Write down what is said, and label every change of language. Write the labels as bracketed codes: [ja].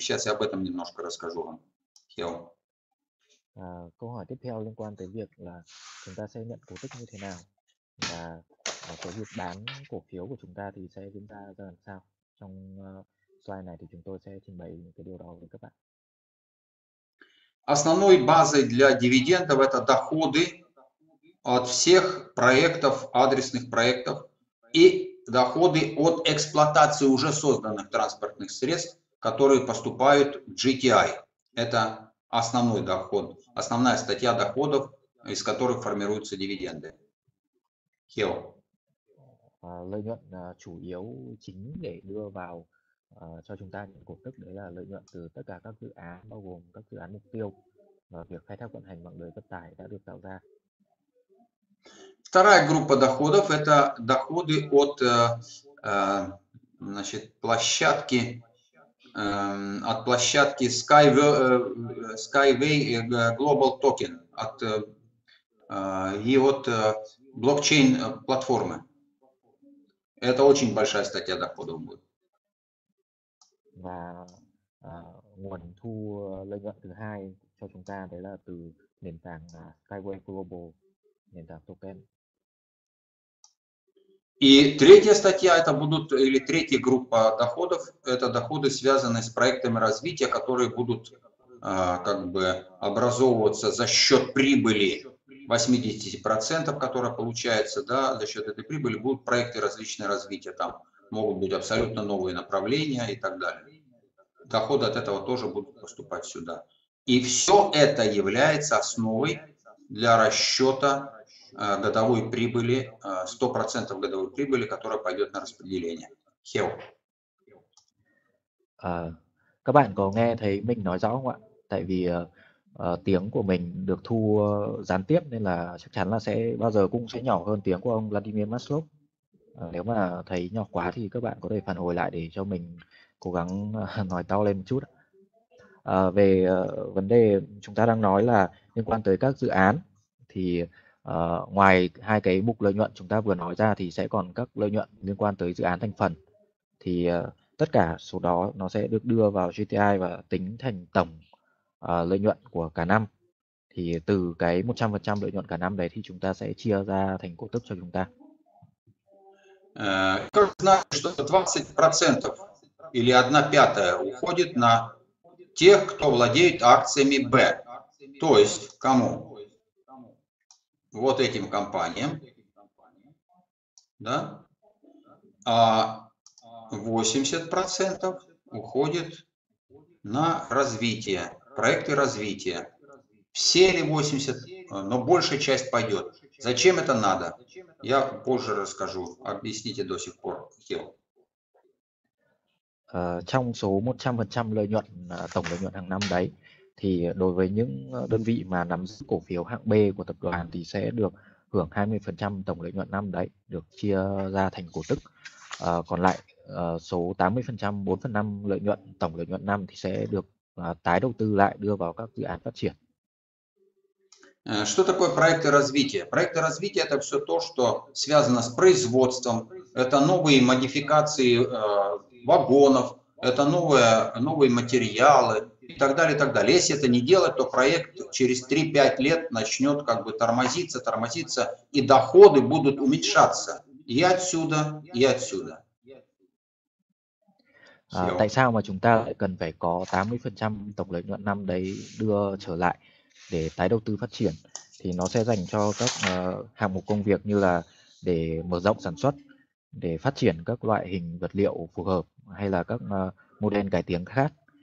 [ru] Сейчас я об этом немножко расскажу вам. [vi] Câu hỏi tiếp theo liên quan tới việc là chúng ta sẽ nhận cổ tức như thế nào và cái việc bán cổ phiếu của chúng ta thì sẽ diễn ra ra làm sao trong slide này thì chúng tôi sẽ trình bày những cái điều đó với các bạn. [ru] Основной базой для дивидендов это доходы от всех проектов, адресных проектов и доходы от эксплуатации уже созданных транспортных средств, которые поступают в GTI. Это основной доход, основная статья доходов, из которых формируются дивиденды. Хео. [vi] Lợi nhuận chủ yếu chính để đưa vào cho chúng ta những cổ tức đấy là lợi nhuận từ tất cả các dự án bao gồm các dự án mục tiêu và việc khai thác vận hành mạng lưới vận tải đã được tạo ra. [ru] Вторая группа доходов это доходы от значит площадки от площадки Skyway Global Token от и от блокчейн платформы. Это очень большая статья доходов будет. [vi] Và nguồn thu lợi nhuận thứ hai cho chúng ta đấy là từ nền tảng Skyway Global, nền tảng token. [ru] И третья статья это будут или третья группа доходов это доходы связанные с проектами развития, которые будут как бы образовываться за счет прибыли 80%, которая получается, да, за счет этой прибыли будут проекты различные развития там могут быть абсолютно новые направления и так далее. Доходы от этого тоже будут поступать сюда. И все это является основой для расчета годовой прибыли, 100% годовой прибыли, которая пойдет на распределение. [vi] Hiểu. À, các bạn có nghe thấy mình nói rõ không ạ? Tại vì tiếng của mình được thu gián tiếp nên là chắc chắn là sẽ bao giờ cũng sẽ nhỏ hơn tiếng của ông Vladimir Maslov. Nếu mà thấy nhỏ quá thì các bạn có thể phản hồi lại để cho mình cố gắng nói to lên một chút. Về vấn đề chúng ta đang nói là liên quan tới các dự án thì ngoài hai cái mục lợi nhuận chúng ta vừa nói ra thì sẽ còn các lợi nhuận liên quan tới dự án thành phần. Thì tất cả số đó nó sẽ được đưa vào GTI và tính thành tổng lợi nhuận của cả năm. Thì từ cái 100% lợi nhuận cả năm đấy thì chúng ta sẽ chia ra thành cổ tức cho chúng ta. [ru] Как знать, что 20% или 1/5 уходит на тех, кто владеет акциями Б, то есть кому? Вот этим компаниям, да? А 80% уходит на развитие, проекты развития. Все ли 80, но большая часть пойдет. Зачем это надо? Я позже расскажу. Объясните до сих пор. [vi] Trong số 100% lợi nhuận, tổng lợi nhuận hàng năm đấy, thì đối với những đơn vị mà nắm giữ cổ phiếu hạng B của tập đoàn thì sẽ được hưởng 20% tổng lợi nhuận năm đấy, được chia ra thành cổ tức. Còn lại số 80%, 4/5 lợi nhuận, tổng lợi nhuận năm thì sẽ được tái đầu tư lại, đưa vào các dự án phát triển. [ru] Что такое проекты развития? Проекты развития – это все то, что связано с производством, это новые модификации вагонов, это новые материалы и так далее, и так далее. Если это не делать, то проект через 3-5 лет начнет как бы тормозиться, и доходы будут уменьшаться и отсюда, и отсюда. [vi] Tại sao mà chúng ta lại cần phải có 80% tổng lợi nhuận năm đấy đưa trở lại để tái đầu tư phát triển? Thì nó sẽ dành cho các hạng mục công việc như là để mở rộng sản xuất, để phát triển các loại hình vật liệu phù hợp hay là các model cải tiến khác.